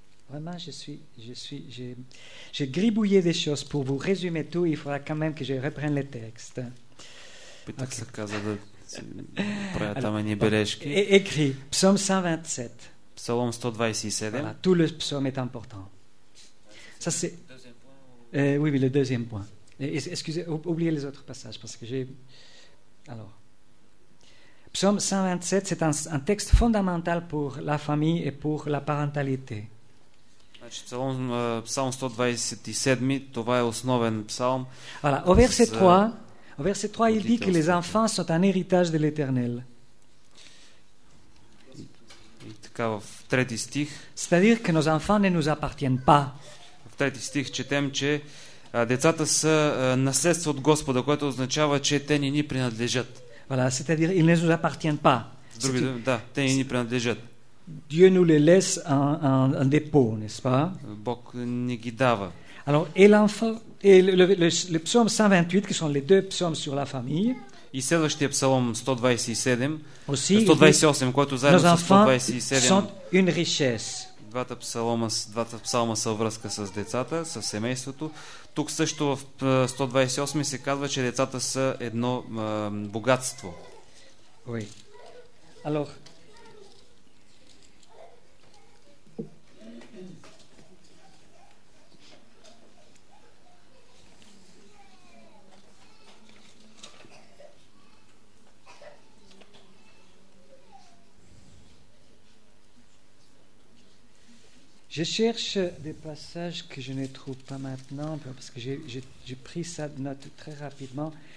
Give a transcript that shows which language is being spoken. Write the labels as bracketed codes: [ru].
[fr] Vraiment, j'ai gribouillé des choses pour vous résumer tout. Il faudra quand même que je reprenne le texte. Okay. [bg] Se каза да правя там едни бележки. [fr] Écrit, Psaume 127. [bg] Psalm 127. [fr] Voilà, tout le psaume est important. Ça, c'est... Oui, le deuxième point. Excusez, oubliez les autres passages parce que j'ai... Alors. Psaume 127, c'est un texte fondamental pour la famille et pour la parentalité. [bg] Псалом 127, това е основен псалом. [fr] Voilà, au verset 3, il dit que les enfants sont un héritage de l'Éternel. [bg] И така в трети стих. [fr] C'est-à-dire que nos enfants ne nous appartiennent pas. [bg] В трети стих четем, че децата са наследство от Господа, което означава, че те не ни принадлежат. [fr] Voilà, c'est-à-dire ils ne nous appartiennent pas. [bg] Други, да, те не ни принадлежат. [fr] Dieu nous les laisse en dépôt, n'est-ce pas? [bg] Бог ни ги дава. [fr] Alors, et l'enfant et le psaume 128 qui sont les deux psaumes sur la famille. [bg] И следващия псалом 127. [fr] Aussi, [bg] 128, който заедно с 127. [fr] Sont une richesse. [bg] Двата псалма са връзка с децата, с семейството. Тук също в 128 се казва, че децата са едно богатство. [fr] Oui. Alors, je cherche des passages que je ne trouve pas maintenant parce que j'ai pris ça de note très rapidement.